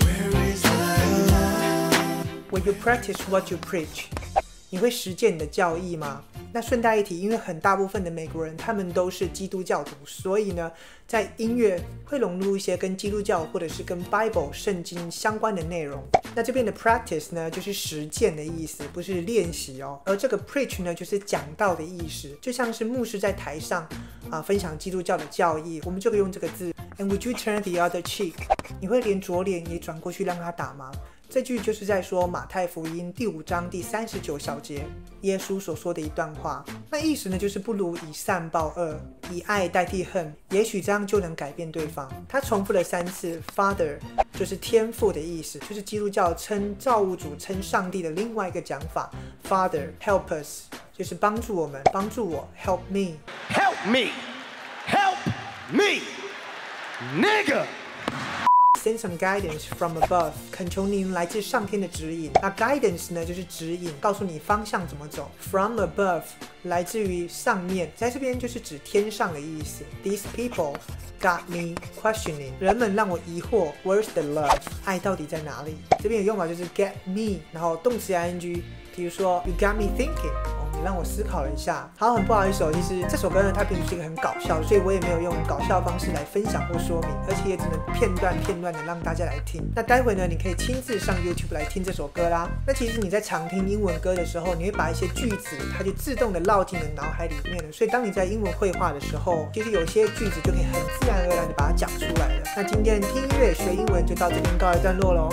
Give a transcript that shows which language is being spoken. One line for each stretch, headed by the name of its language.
English: When you practice what you preach，
Chinese: 你会实践你的教义吗？那顺带一提，因为很大部分的美国人他们都是基督教徒，所以呢，在音乐会融入一些跟基督教或者是跟 Bible 圣经相关的内容。那这边的 practice 呢，就是实践的意思，不是练习哦。而这个 preach 呢，就是讲道的意思，就像是牧师在台上啊分享基督教的教义，我们就可以用这个字。
English: And would you turn the other cheek？
Chinese: 你会连左脸也转过去让他打吗？这句就是在说马太福音第五章第三十九小节耶稣所说的一段话，那意思呢就是不如以善报恶，以爱代替恨，也许这样就能改变对方。他重复了三次 Father 就是天父的意思，就是基督教称造物主称上帝的另外一个讲法。
English: Father help us
Chinese: 就是帮助我们，帮助我 help me
English: help me help me nigga。 Send some guidance from above，
Chinese: 恳求您来自上天的指引。那 guidance 呢，就是指引，告诉你方向怎么走。
English: From above，
Chinese: 来自于上面，在这边就是指天上的意思。
English: These people got me questioning，
Chinese: 人们让我疑惑。
English: Where's the love？
Chinese: 爱到底在哪里？这边有用法就是 get me， 然后动词 ing， 比如说
English: you got me thinking。
Chinese: 让我思考了一下。好，很不好意思哦，其实这首歌呢，它并不是一个很搞笑，所以我也没有用搞笑的方式来分享或说明，而且也只能片段片段的让大家来听。那待会呢，你可以亲自上 YouTube 来听这首歌啦。那其实你在常听英文歌的时候，你会把一些句子它就自动的烙进你的脑海里面了，所以当你在英文会话的时候，其实有些句子就可以很自然而然的把它讲出来了。那今天听音乐学英文就到这边告一段落咯。